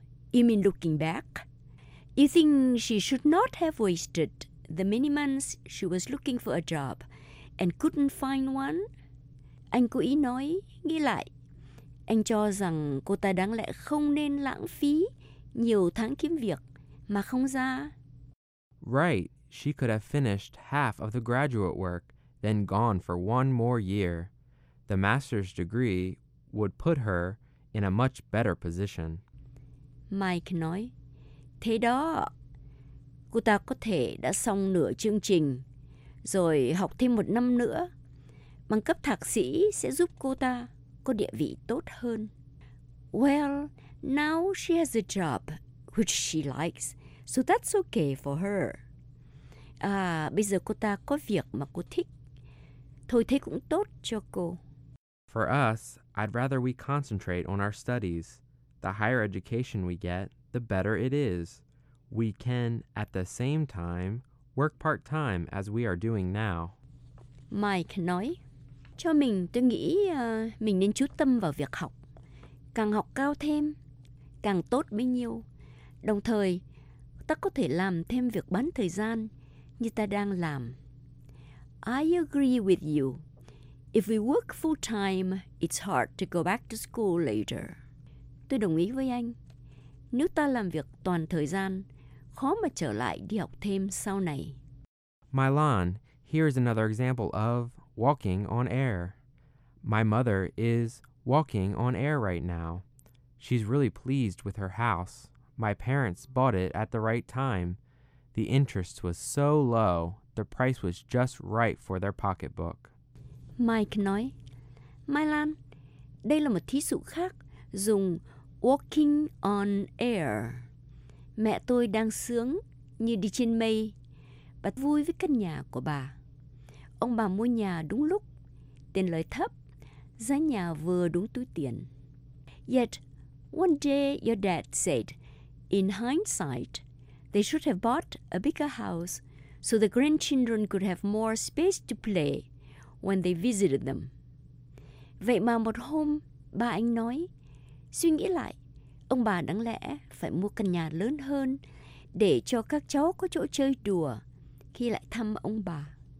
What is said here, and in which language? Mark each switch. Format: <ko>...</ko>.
<en>You mean looking back? You think she should not have wasted the many months she was looking for a job and couldn't find one?</en> <vi>Anh cố ý nói, nghĩ lại. Anh cho rằng cô ta đáng lẽ không nên lãng phí nhiều tháng kiếm việc mà không ra.</vi> <en>Right, she could have finished half of the graduate work, then gone for one more year. The master's degree would put her in a much better position.</en> <vi>Mike nói, thế đó, cô ta có thể đã xong nửa chương trình, rồi học thêm một năm nữa. Bằng cấp thạc sĩ sẽ giúp cô ta có địa vị tốt hơn.</vi> <en>Well, now she has a job which she likes, so that's okay for her.</en> <vi>À, bây giờ cô ta có việc mà cô thích. Thôi thế cũng tốt cho cô.</vi> <en>For us, I'd rather we concentrate on our studies. The higher education we get, the better it is. We can, at the same time, work part-time as we are doing now.</en> <vi>Mike nói, cho mình, tôi nghĩ mình nên chú tâm vào việc học. Càng học cao thêm, càng tốt bấy nhiêu. Đồng thời, ta có thể làm thêm việc bán thời gian như ta đang làm.</vi> <en>I agree with you. If we work full-time, it's hard to go back to school later.</en> <vi>Tôi đồng ý với anh. Nếu ta làm việc toàn thời gian, khó mà trở lại đi học thêm sau này.</vi> <en>Milan, here's another example of walking on air. My mother is walking on air right now. She's really pleased with her house. My parents bought it at the right time. The interest was so low, the price was just right for their pocketbook.</en> <vi>Mike nói, Milan, đây là một thí dụ khác dùng</vi> <en>walking on air.</en> <vi>Mẹ tôi đang sướng như đi trên mây, bà vui với căn nhà của bà. Ông bà mua nhà đúng lúc, tiền lời thấp, giá nhà vừa đúng túi tiền.</vi> <en>Yet, one day your dad said, in hindsight, they should have bought a bigger house so the grandchildren could have more space to play when they visited them.</en> <vi>Vậy mà một hôm, bà anh nói, suy nghĩ lại, ông bà đáng lẽ phải mua căn nhà lớn hơn để cho các cháu có chỗ chơi đùa khi lại thăm ông bà.</vi>